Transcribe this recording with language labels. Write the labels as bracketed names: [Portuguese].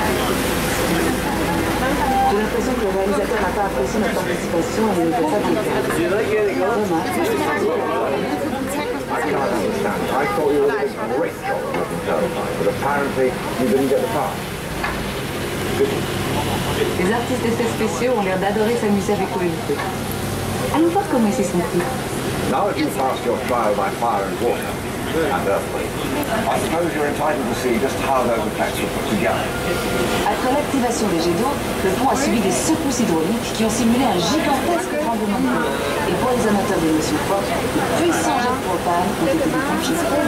[French] J'ai l'impression que le réalisateur n'a pas apprécié ma participation et que ça qui Les artistes d'effets spéciaux ont l'air d'adorer s'amuser avec vous. Allons voir comment ils s'y sont pris. [English] Now that you've passed your trial by fire and water and earthquake, I suppose you're entitled to see just how those effects were put together. [French] Après l'activation des jets d'eau, le pont a subi des secousses hydrauliques qui ont simulé un gigantesque tremblement de terre. Et pour les amateurs d'émotions fortes, de puissants jets de propane ont été déclenchés.